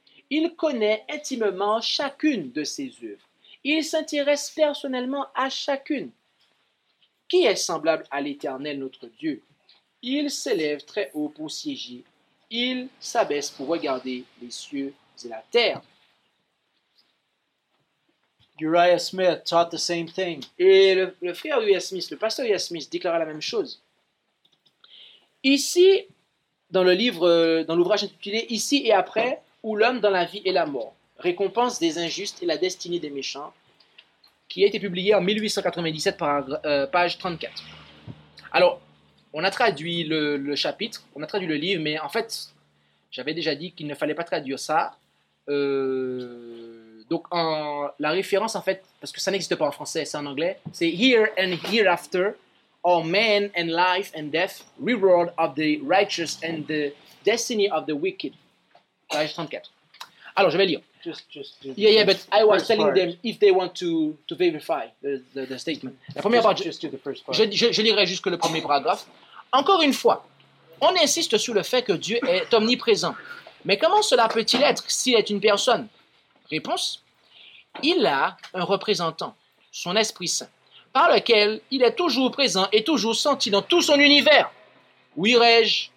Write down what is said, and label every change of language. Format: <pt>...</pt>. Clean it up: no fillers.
<fr>Il connaît intimement chacune de ses œuvres. Il s'intéresse personnellement à chacune. Qui est semblable à l'Éternel, notre Dieu? Il s'élève très haut pour siéger. Il s'abaisse pour regarder les cieux et la terre.</fr> <en>Uriah Smith taught the same thing.</en> <fr>Et le frère Uriah Smith, le pasteur Uriah Smith, déclara la même chose. Ici, dans le livre, dans l'ouvrage intitulé « Ici et après, où l'homme dans la vie et la mort, récompense des injustes et la destinée des méchants », qui a été publié en 1897, page 34. Alors, on a traduit le chapitre, on a traduit le livre, mais en fait, j'avais déjà dit qu'il ne fallait pas traduire ça. Donc, la référence, en fait, parce que ça n'existe pas en français, c'est en anglais, c'est «</fr> <en>Here and hereafter ». Or man and life and death, reward of the righteous and the destiny of the wicked.</en> <fr>Page 34. Alors, je vais lire.</fr> <en>I was telling them if they want to verify the statement.</en> <fr>La première</fr> <en>just, part, just do the first part.</en> <fr>Je lirai jusque le premier paragraphe. Encore une fois, on insiste sur le fait que Dieu est omniprésent. Mais comment cela peut-il être s'il est une personne? Réponse, il a un représentant, son Esprit Saint, par lequel il est toujours présent et toujours senti dans tout son univers. Où irai-je?</fr>